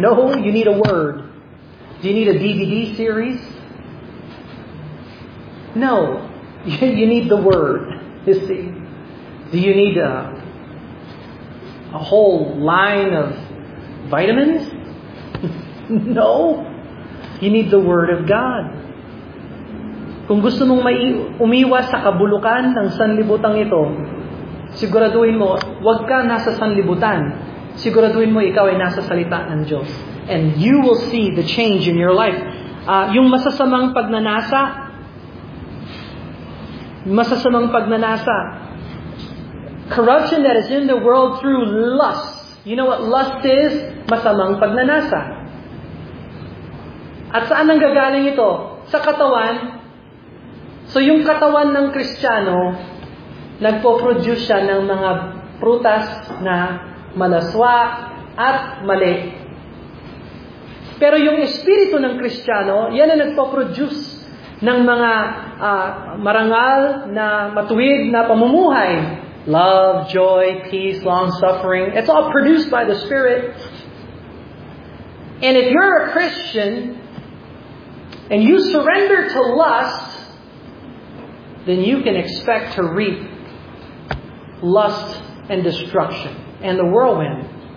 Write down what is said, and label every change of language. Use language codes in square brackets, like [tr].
[en] No, you need a word. Do you need a DVD series? No. You need the word. You see. Do you need a whole line of vitamins? No. You need the word of God. [tl] Kung gusto mong umiwas sa kabulukan ng sanlibutan ito, siguraduhin mo, huwag ka nasa sanlibutan. Siguraduhin mo, ikaw ay nasa salita ng Diyos. [en] And you will see the change in your life. [tl] Yung masasamang pagnanasa, [en] corruption that is in the world through lust. You know what lust is? [tl] Masamang pagnanasa. At saan ang gagaling ito? Sa katawan. So yung katawan ng Kristiyano, nagpo-produce siya ng mga prutas na malaswa at mali. Pero yung espiritu ng Kristiyano, yan ang nagpo-produce ng mga marangal na matuwid na pamumuhay. [en] Love, joy, peace, long-suffering. It's all produced by the Spirit. And if you're a Christian and you surrender to lust, then you can expect to reap lust and destruction and the whirlwind.